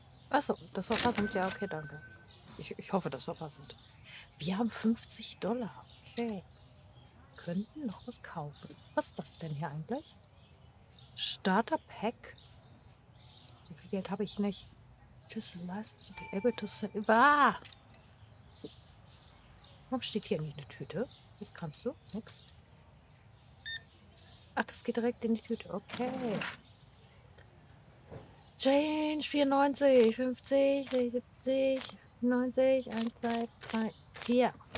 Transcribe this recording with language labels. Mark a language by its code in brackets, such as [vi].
[de] Achso, das war passend. Ja, okay, danke. Ich hoffe, das war passend. Wir haben 50 Dollar. Okay. Wir könnten noch was kaufen. Was ist das denn hier eigentlich? Starter Pack? So viel Geld habe ich nicht. [en] Just a license to be able to sell. [de] Warum steht hier eigentlich eine Tüte? Was kannst du? Nix. Ach, das geht direkt in die Tüte. Okay. [en] Change 94, 50, 70, 90, 1, 2, 3, 4.